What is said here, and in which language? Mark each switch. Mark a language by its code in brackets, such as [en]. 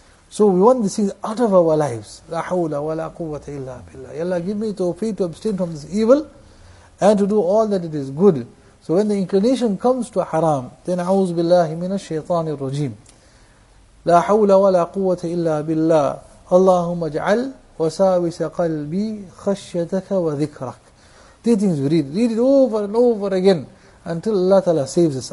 [en] So we want these things out of our lives. [ar] La hawla wa la quwwata illa billah. [en] Ya Allah, give me tawfiq to abstain from this evil, and to do all that it is good. So when the inclination comes to haram, then [ar] أعوذ بالله من الشيطان الرجيم. لا حول ولا قوة إلا بالله. اللهم اجعل وساوس قلبي خشيتك وذكرك. [en] These things we read. Read it over and over again until Allah Ta'ala saves us.